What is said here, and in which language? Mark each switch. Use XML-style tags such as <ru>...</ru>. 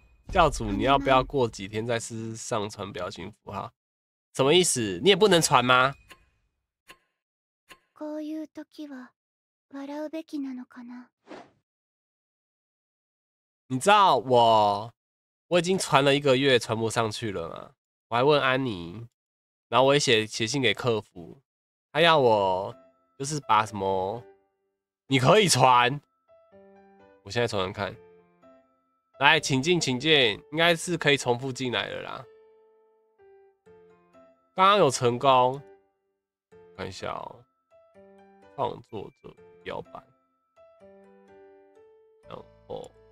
<zh>教主，你要不要过几天再试上传表情符号？什么意思？你也不能传吗？</zh> <ja>こういう時は笑うべきなのかな？</ja> <zh>你知道我？我已经传了一个月传不上去了嘛，我还问安妮，然后我也写信给客服，他要我就是把什么，你可以传，我现在传传看，来，请进请进，应该是可以重复进来了啦，刚刚有成功，看一下哦，创作者标版，然后。</zh>